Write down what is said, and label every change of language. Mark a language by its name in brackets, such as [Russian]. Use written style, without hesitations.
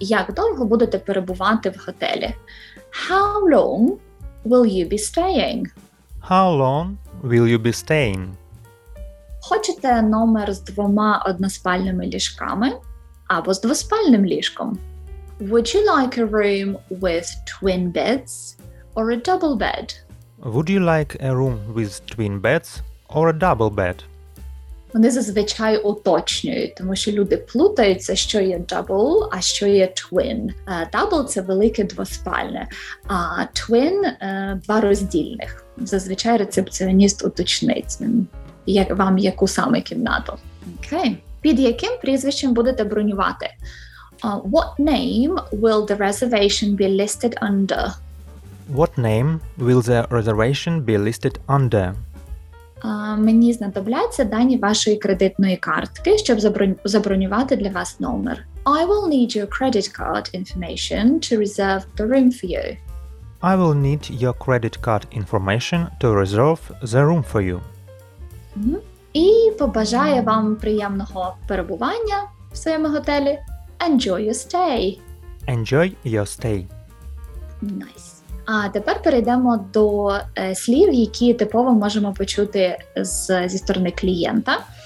[Ukrainian] Як довго будете перебувати в готелі? [English] How long will you be staying? How long will you be staying? [Ukrainian] Хочете номер з двома односпальними ліжками або з двоспальним ліжком? [English] Would you like a room with twin beds or a double bed? Would you like a room with twin beds or a double bed? [Ukrainian] Вони зазвичай уточнюють, тому що люди плутаються, що є double, а що є twin. Double – це велике двоспальне, а twin – два роздільних. Зазвичай рецепціоніст уточнить вам, яку саме кімнату. Окей. Під яким прізвищем будете бронювати? [English] What name will the reservation be listed under? What name will the reservation be listed under? [Ukrainian] Мені знадобляться дані вашої кредитної картки, щоб забронювати для вас номер. [English] I will need your credit card information to reserve the room for you. I will need your credit card information to reserve the room for you. [Ukrainian] І побажаю вам приємного перебування в своєму готелі. [English] Enjoy your stay. Enjoy your stay. Nice. [Ukrainian] А тепер перейдемо до слів, які типово можемо почути зі сторони клієнта.